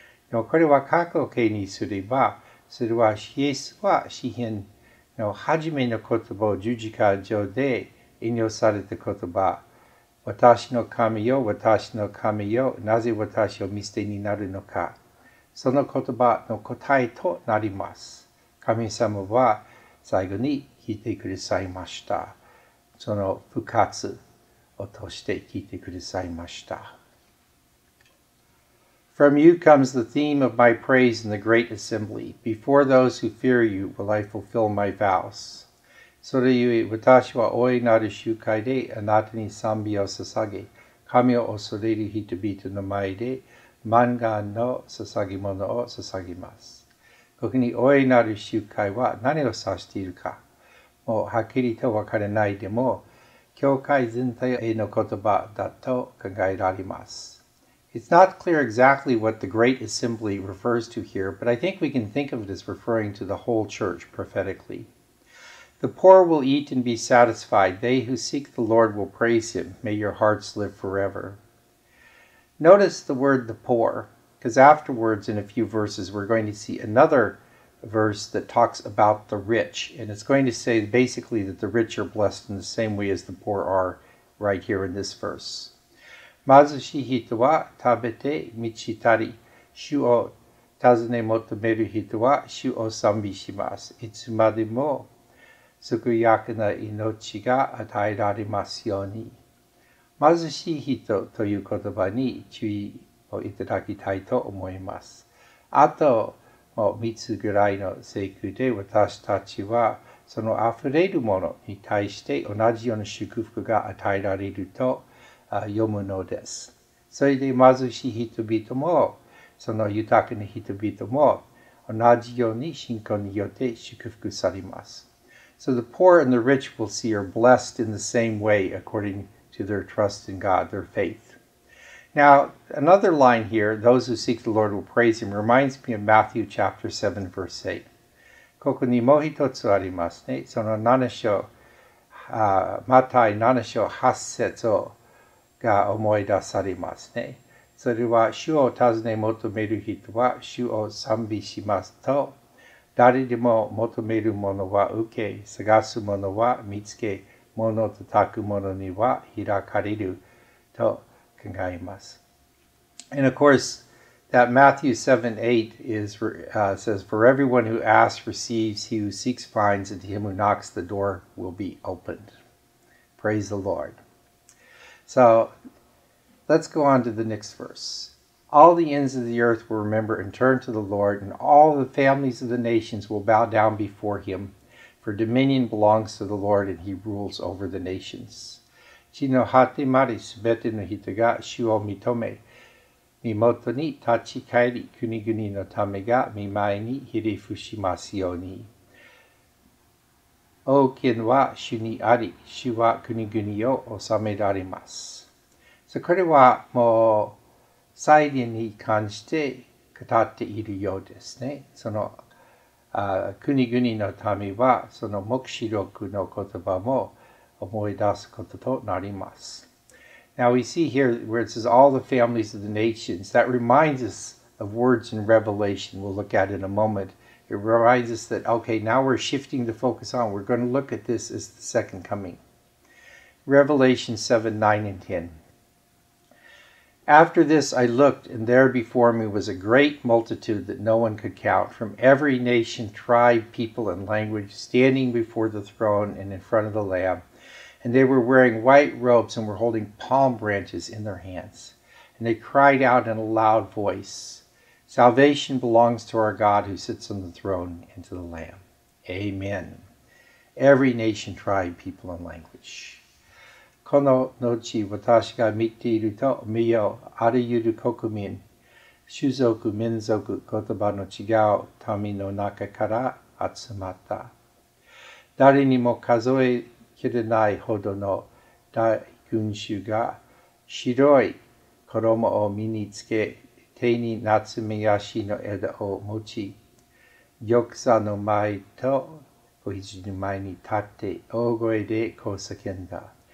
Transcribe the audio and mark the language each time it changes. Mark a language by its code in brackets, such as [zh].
[ja] でもこれは過去形にすれば、それはイエスは詩編の初めの言葉を十字架上で引用された言葉、私の神よ、私の神よ、なぜ私を見捨てになるのか、その言葉の答えとなります。神様は最後に聞いてくださいました。その復活を通して聞いてくださいました。 [en] From you comes the theme of my praise in the great assembly. Before those who fear you will I fulfill my vows. [ja] それゆえ私は大いなる集会であなたに賛美を捧げ、神を恐れる人々の前で万願の捧げ物を捧げます。ここに大いなる集会は何を指しているか、もうはっきりと分からないでも、教会全体への言葉だと考えられます。 [en] It's not clear exactly what the Great Assembly refers to here, but I think we can think of it as referring to the whole church prophetically. The poor will eat and be satisfied. They who seek the Lord will praise him. May your hearts live forever. Notice the word the poor, because afterwards in a few verses we're going to see another verse that talks about the rich, and it's going to say basically that the rich are blessed in the same way as the poor are right here in this verse. [ja] 貧しい人は食べて満ちたり、主を尋ね求める人は主を賛美します。いつまでも救いやかな命が与えられますように。貧しい人という言葉に注意をいただきたいと思います。あと、もう3つぐらいの聖句で私たちはそのあふれるものに対して同じような祝福が与えられると読むのです。それで貧しい人々もその豊かな人々も同じように信仰によって祝福されます。 [en] So the poor and the rich will see are blessed in the same way according to their trust in God, their faith. Now, another line here, those who seek the Lord will praise him, reminds me of Matthew chapter 7, verse 8. [ja] ここにもう一つありますね。その7章、マタイ7章8節をが思い出されますね。それは主を尋ね求める人は主を賛美しますと、誰でも求めるものは受け、探すものは見つけ、物を叩く者には開かれると考えます。 [en] And of course, that Matthew 7, 8 is, says, For everyone who asks receives, he who seeks finds, and to him who knocks the door will be opened. Praise the Lord. So, let's go on to the next verse. All the ends of the earth will remember and turn to the Lord, and all the families of the nations will bow down before him, for dominion belongs to the Lord, and he rules over the nations. [ja] 地の果てまで、すべての人が主を認め、御もとに立ち帰り、国々の民が御前にひれ伏しますように。王権は主にあり、主は国々を治められます。 So, これはもう再臨に関して語っているようですね。その国々の民はその黙示録の言葉も思い出すこととなります。 [en] Now we see here where it says all the families of the nations. That reminds us of words in Revelation we'll look at in a moment. It reminds us that, okay, now we're shifting the focus on. We're going to look at this as the second coming. Revelation 7, 9 and 10. After this, I looked, and there before me was a great multitude that no one could count, from every nation, tribe, people, and language, standing before the throne and in front of the Lamb, And they were wearing white robes and were holding palm branches in their hands. And they cried out in a loud voice, "Salvation belongs to our God who sits on the throne and to the Lamb." Amen. Every nation, tribe, people, and language. [ja] この後私が見ていると見よう、あらゆる国民、種族、民族、言葉の違う民の中から集まった。誰にも数えきれないほどの大群衆が白い衣を身につけ、手に夏目ヤシの枝を持ち、玉座の前と子羊の前に立って大声でこう叫んだ。